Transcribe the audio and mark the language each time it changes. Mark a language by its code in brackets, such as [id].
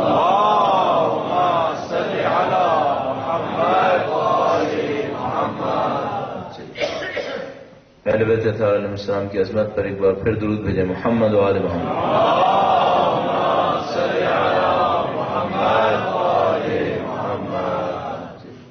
[ar] اللهم صل على محمد و آل محمد [ur] اہل بیت اطہار علیہ السلام کی عظمت پر ایک بار پھر درود بھیجے محمد و آل محمد [ar] اللهم صل على محمد و آل محمد